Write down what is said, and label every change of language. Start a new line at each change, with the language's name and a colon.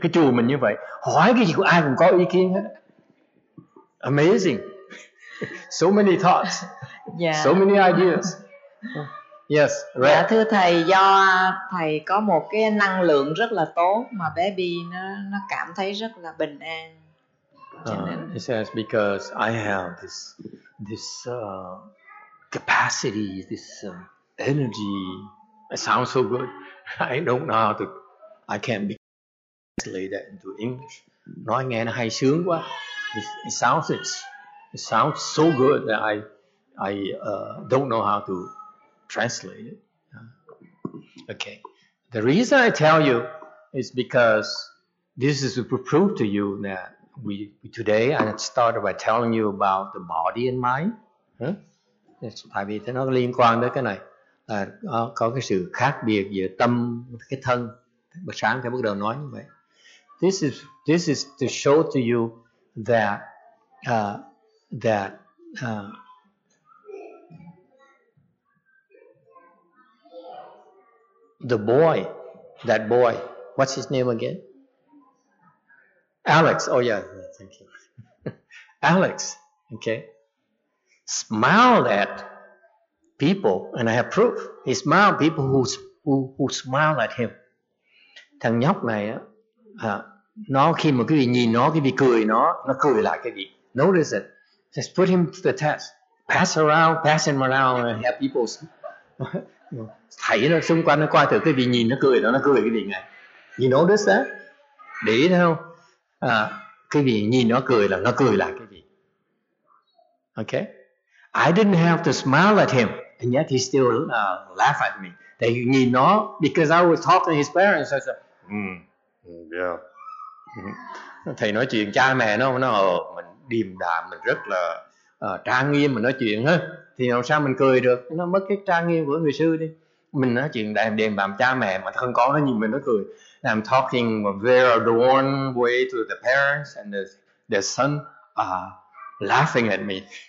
Vietnamese: Cái chùa mình như vậy, hỏi cái gì của ai cũng có ý kiến hết.
English: Amazing. So many thoughts. Yeah. So many ideas. Yes,
Vietnamese: right. Dạ thưa thầy, do thầy có một cái năng lượng rất là tốt mà baby nó cảm thấy rất là bình an.
English: It says because I have this capacity, this energy. It sounds so good. I don't know how to. I can't be translate that into English.
Vietnamese: Nói nghe nó hay sướng quá.
English: It sounds so good that I don't know how to translate it. Okay. The reason I tell you is because this is to prove to you that today I started by telling you about the body and mind. Huh?
Vietnamese: Tại vì nó liên quan tới cái này là có cái sự khác biệt giữa tâm cái thân. Bữa sáng thì bắt đầu nói như vậy.
English: This is to show to you that that boy, what's his name again? Alex. Oh yeah, thank you. Alex. Okay. Smiled at people, and I have proof. He smiled at people who smiled at him.
Vietnamese: Thằng nhóc này á, nó khi mà quý vị nhìn nó, quý vị cười nó cười lại quý vị.
English: Notice it. Just put him to the test. Pass him around and have people
Vietnamese: thấy nó xung quanh, nó coi thử quý vị nhìn nó cười quý vị ngay.
English: You notice that?
Vietnamese: Để ý thấy không? Quý vị nhìn nó cười là nó cười lại quý vị.
English: Okay? I didn't have to smile at him, and yet he still laugh at me. They
Vietnamese: nhìn nó
English: because I was talking to his parents. I said, yeah.
Vietnamese: Thầy nói chuyện cha mẹ nó mình điềm đạm, mình rất là trang nghiêm mà nói chuyện hết. Thì làm sao mình cười được? Nó mất cái trang nghiêm của người sư đi. Mình nói chuyện điềm đạm cha mẹ mà thân con nó nhìn mình nó cười.
English: I'm talking a very adorned way to the parents and the son laughing at me.